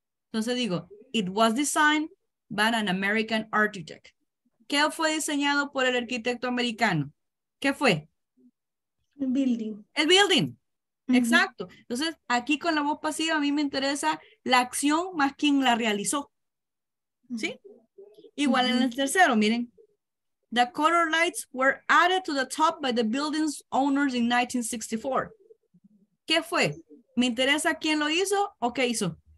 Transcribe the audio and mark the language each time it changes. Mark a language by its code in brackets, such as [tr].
[es] Entonces digo, [en] it was designed by an American architect. [es] ¿Qué fue diseñado por el arquitecto americano? ¿Qué fue? El building. El building. Uh-huh. Exacto. Entonces, aquí con la voz pasiva a mí me interesa la acción más quien la realizó. ¿Sí? Igual uh-huh. en el tercero, miren. [en] The color lights were added to the top by the building's owners in 1964. [es] ¿Qué fue? ¿Me interesa quién lo hizo o qué hizo?